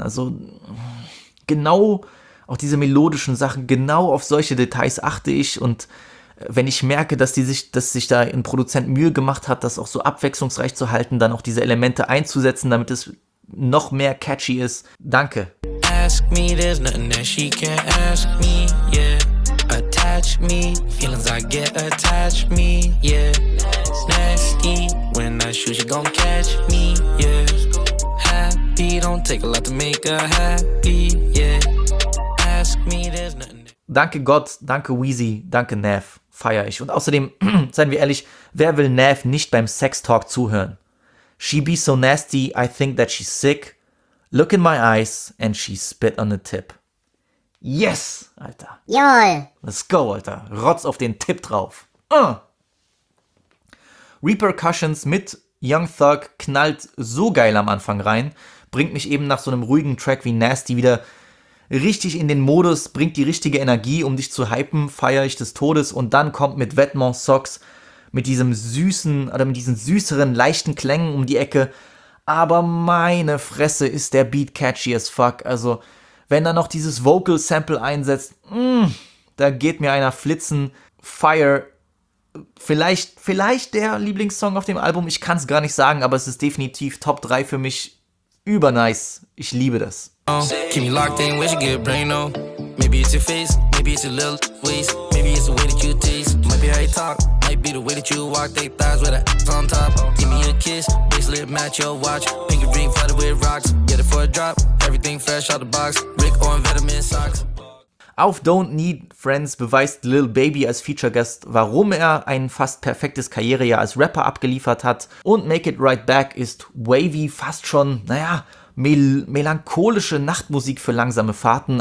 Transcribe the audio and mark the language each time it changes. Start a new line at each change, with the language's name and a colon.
German: Also genau auch diese melodischen Sachen, genau auf solche Details achte ich. Und wenn ich merke, dass sich da ein Produzent Mühe gemacht hat, das auch so abwechslungsreich zu halten, dann auch diese Elemente einzusetzen, damit es noch mehr catchy ist. Danke.
English: Ask me, there's nothing that she can ask me, yeah. Attach me, feelings I get, attach me, yeah. Nasty, when I shoot, she gon' catch me, yeah. Happy, don't take a lot to make her happy, yeah. Ask me, there's nothing that...
German: Danke Gott, danke Weezy, danke Nav, feier ich. Und außerdem, seien wir ehrlich, wer will Nav nicht beim Sextalk zuhören?
English: She be so nasty, I think that she's sick. Look in my eyes and she spit on the tip.
German: Yes, Alter. Jawohl.
English: Let's go,
German: Alter. Rotz auf den Tipp drauf. Repercussions mit Young Thug knallt so geil am Anfang rein, bringt mich eben nach so einem ruhigen Track wie Nasty wieder richtig in den Modus, bringt die richtige Energie, um dich zu hypen, feier ich des Todes. Und dann kommt mit Vetements Socks mit diesem süßen oder mit diesen süßeren, leichten Klängen um die Ecke. Aber meine Fresse, ist der Beat
English: catchy as fuck.
German: Also, wenn da noch dieses Vocal Sample einsetzt, da geht mir einer flitzen. Fire, vielleicht der Lieblingssong auf dem Album. Ich kann es gar nicht sagen, aber es ist definitiv Top 3 für mich. Über nice. Ich liebe das.
English: Keep me locked in, where should get brain on? Maybe it's your face, maybe it's your little waist. Maybe it's the way that you taste. Might be how you talk, might be the way that you walk. They thighs with a ass on top. Give me a kiss, bracelet match your watch. Pinky ring flooded with rocks. Get it for a drop, everything fresh out the box. Rick Owen Vitamin Socks.
German: Auf Don't Need Friends beweist Lil Baby als Feature Guest, warum er ein fast perfektes Karrierejahr als Rapper abgeliefert hat. Und Make It Right Back ist wavy, fast schon, naja, melancholische Nachtmusik für langsame Fahrten.